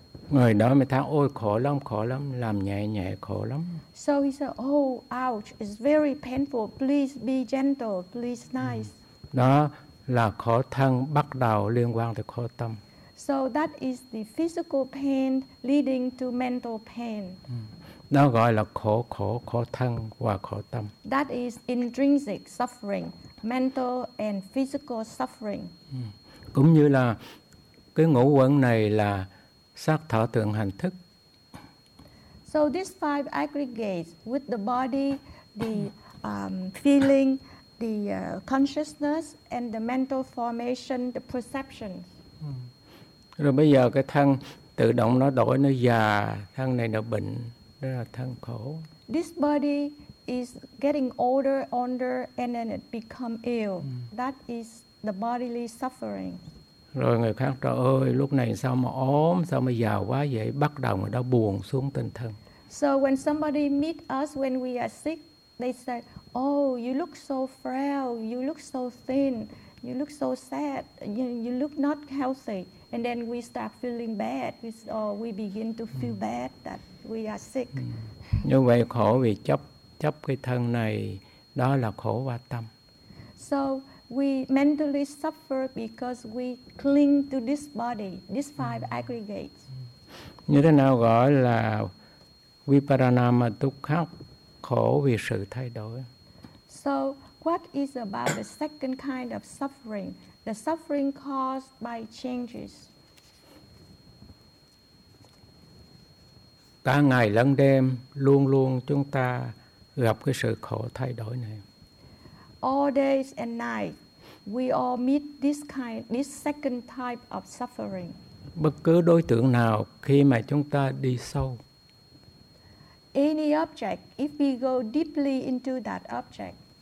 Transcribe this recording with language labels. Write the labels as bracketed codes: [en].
[vi] Người đó mới thắc, ôi khổ lắm, làm nhẹ khổ lắm. [en] So he said, oh, ouch, it's very painful, please be gentle, please nice. [vi] Đó là khổ thân bắt đầu liên quan tới khổ tâm. [en] So that is the physical pain leading to mental pain. [vi] Đó gọi là khổ thân và khổ tâm. [en] That is intrinsic suffering, mental and physical suffering. [vi] Cũng như là cái ngũ uẩn này là sắc thọ tưởng hành thức. [en] So these five aggregates with the body, the feeling, the consciousness and the mental formation, the perception. [vi] Rồi bây giờ cái thân tự động nó đổi, nó già, thân này nó bệnh, đó là thân khổ. [en] This body is getting older and then it become ill. That is the bodily suffering. [vi] Rồi người khác, trời ơi, lúc này sao mà ốm, sao mà già quá vậy? Bắt đầu người đó buồn xuống tinh thần. [en] So when somebody meet us when we are sick, they say, oh, you look so frail, you look so thin, you look so sad, you look not healthy. And then we start feeling bad, or we begin to feel bad that we are sick. [vi] Như vậy khổ vì chấp chấp cái thân này, đó là khổ và tâm. [en] So we mentally suffer because we cling to this body, these five aggregates. [vi] Như thế nào gọi là viparinama dukkha, khổ vì sự thay đổi. [en] So what is about the second kind of suffering? The suffering caused by changes. [vi] Cả ngày lẫn đêm, luôn luôn chúng ta gặp cái sự khổ thay đổi này. [en] All days and night, we all meet this kind, this second type of suffering. [vi] Bất cứ đối tượng nào khi mà chúng ta đi sâu. [en] Any object, if we go deeply into that object.